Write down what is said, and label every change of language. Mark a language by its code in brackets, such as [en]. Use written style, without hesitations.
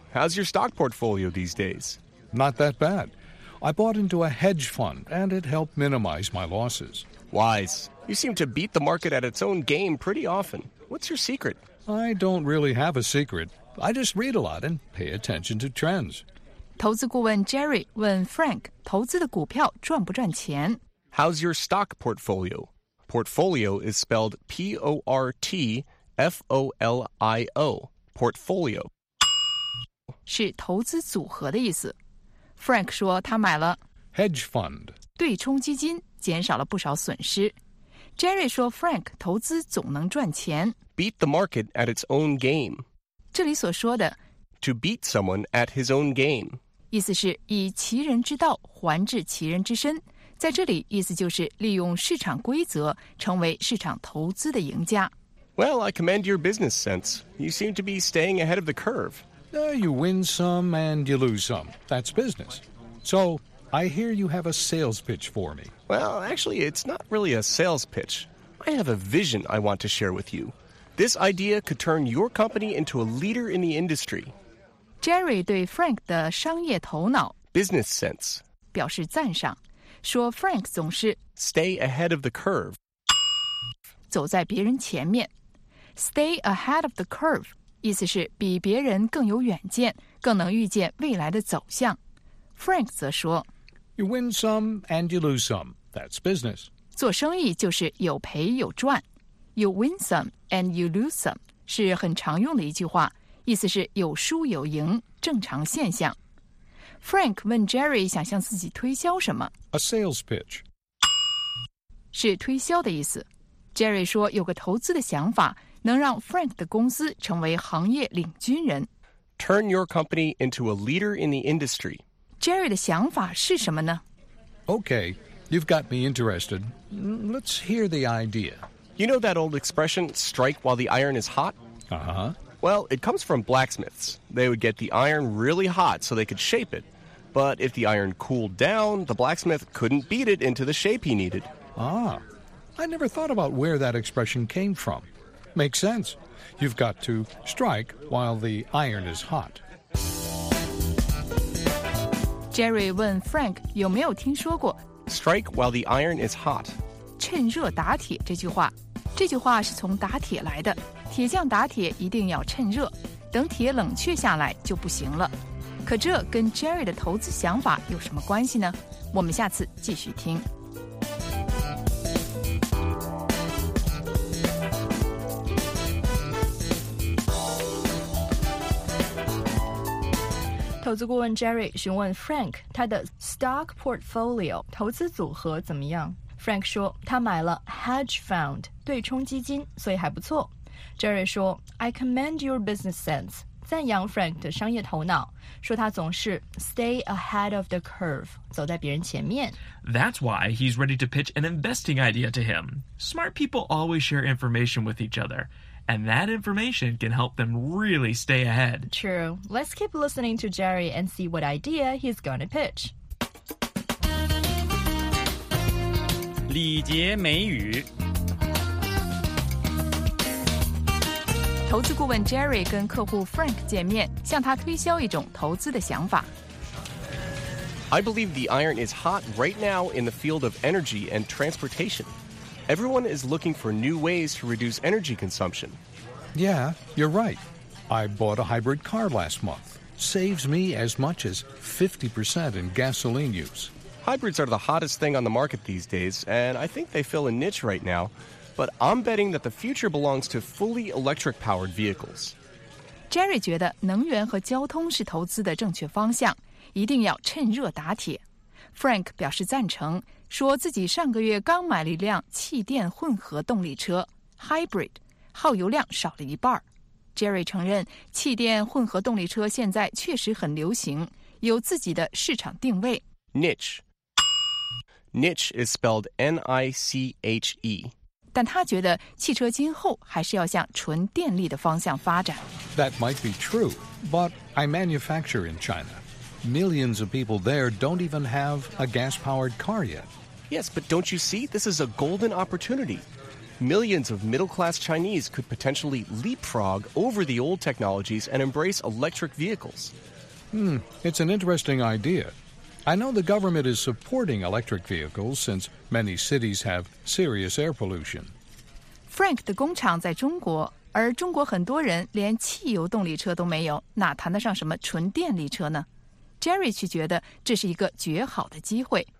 [en] How's your stock portfolio these days? Not that bad. I bought into a hedge fund, and it helped minimize my losses. Wise. You seem to beat the market at its own game pretty often. What's your secret? I don't really have a secret. I just read a lot and pay attention to trends. [zh] 投资顾问 Jerry 问 Frank, 投资的股票赚不赚钱? [en] How's your stock portfolio? Portfolio is spelled P-O-R-T-F-O-L-I-O, portfolio. [zh] 是投资组合的意思。Frank 说他买了 [en] hedge fund, [zh] 对冲基金，减少了不少损失。Jerry 说 Frank 投资总能赚钱。 [en] Beat the market at its own game. [zh] 这里所说的 [en] to beat someone at his own game. [zh] 意思是以其人之道还治其人之身。在这里意思就是利用市场规则成为市场投资的赢家。 [en] Well, I commend your business sense. You seem to be staying ahead of the curve. You win some and you lose some. That's business. So, I hear you have a sales pitch for me. Well, actually, it's not really a sales pitch. I have a vision I want to share with you. This idea could turn your company into a leader in the industry. [zh] Jerry 对 Frank 的商业头脑 [en] business sense [zh] 表示赞赏，说 Frank 总是 [en] stay ahead of the curve [zh] 走在别人前面。 [en] Stay ahead of the curve, [zh] 意思是比别人更有远见，更能预见未来的走向。Frank 则说 [en] You win some and you lose some. That's business. [zh] 做生意就是有赔有赚。 [en] You win some and you lose some [zh] 是很常用的一句话，意思是有输有赢，正常现象。 Frank 问 Jerry 想向自己推销什么。 [en] A sales pitch [zh] 是推销的意思。 Jerry 说有个投资的想法，能让 Frank 的公司成为行业领军人。 [en] Turn your company into a leader in the industry. [zh] Jerry 的想法是什么呢？ [en] Okay, you've got me interested. Let's hear the idea. You know that old expression, strike while the iron is hot? Uh-huh. Well, it comes from blacksmiths. They would get the iron really hot so they could shape it. But if the iron cooled down, the blacksmith couldn't beat it into the shape he needed. Ah, I never thought about where that expression came from. Makes sense. You've got to strike while the iron is hot. [zh] Jerry 问 Frank 有没有听说过 [en] Strike while the iron is hot. [zh] 趁热打铁这句话。这句话是从打铁来的。铁匠打铁一定要趁热，等铁冷却下来就不行了。可这跟 Jerry 的投资想法有什么关系呢？我们下次继续听。投资顾问 Jerry 询问 Frank 他的 [en] stock portfolio [zh] 投资组合怎么样。 Frank 说他买了 [en] hedge fund [zh] 对冲基金，所以还不错。 Jerry 说 [en] I commend your business sense [zh] 赞扬 Frank 的商业头脑，说他总是 [en] stay ahead of the curve [zh] 走在别人前面。 [en] That's why he's ready to pitch an investing idea to him. Smart people always share information with each other, and that information can help them really stay ahead. True. Let's keep listening to Jerry and see what idea he's going to pitch. [zh] 礼节美语。投资顾问 Jerry 跟客户 Frank 见面，向他推销一种投资的想法。 [en] I believe the iron is hot right now in the field of energy and transportation. Everyone is looking for new ways to reduce energy consumption. Yeah, you're right. I bought a hybrid car last month. Saves me as much as 50% in gasoline use. Hybrids are the hottest thing on the market these days, and I think they fill a niche right now. But I'm betting that the future belongs to fully electric-powered vehicles. [zh] Jerry 觉得能源和交通是投资的正确方向，一定要趁热打铁。 Frank 表示赞成，说自己上个月刚买了一辆气电混合动力车 ,hybrid, 耗油量少了一半。 Jerry 承认气电混合动力车现在确实很流行，有自己的市场定位。 [en] Niche. Niche is spelled N-I-C-H-E. [zh] 但他觉得汽车今后还是要向纯电力的方向发展。 [en] That might be true, but I manufacture in China. Millions of people there don't even have a gas-powered car yet. Yes, but don't you see? This is a golden opportunity. Millions of middle-class Chinese could potentially leapfrog over the old technologies and embrace electric vehicles. It's an interesting idea. I know the government is supporting electric vehicles since many cities have serious air pollution. [zh] Frank 的工厂在中国，而中国很多人连汽油动力车都没有，哪谈得上什么纯电力车呢？ Jerry 却觉得这是一个绝好的机会。